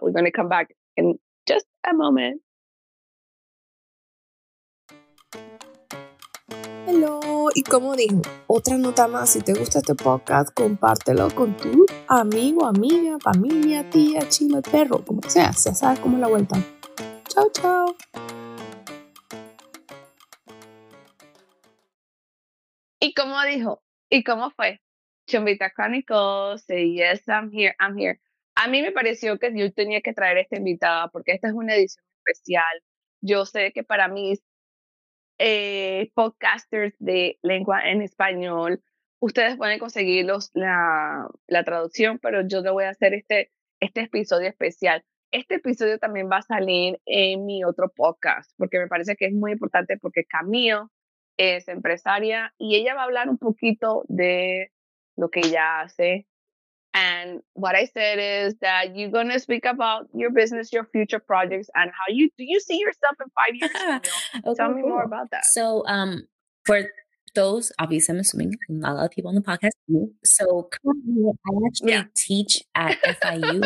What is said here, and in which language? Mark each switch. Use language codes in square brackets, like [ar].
[en] We're going to come back in just a moment. Hello. [es] Y como dijo, otra nota más. Si te gusta este podcast, compártelo con tu amigo, amiga, familia, tía, chino, perro, como sea. Ya sabes cómo la vuelta. Chao, chao. ¿Y cómo dijo? ¿Y cómo fue? [en] Chumbita Chronicles, say yes, I'm here. [es] A mí me pareció que yo tenía que traer a esta invitada porque esta es una edición especial. Yo sé que para mis podcasters de lengua en español, ustedes pueden conseguir la traducción, pero yo le voy a hacer este episodio especial. Este episodio también va a salir en mi otro podcast porque me parece que es muy importante porque Camille es empresaria y ella va a hablar un poquito de lo que ella hace. [en] And what I said is that you're going to speak about your business, your future projects, and how do you see yourself in 5 years? Okay, tell me cool. More about that. So for those, obviously, I'm assuming not a lot of people on the podcast. So currently, I actually teach at FIU.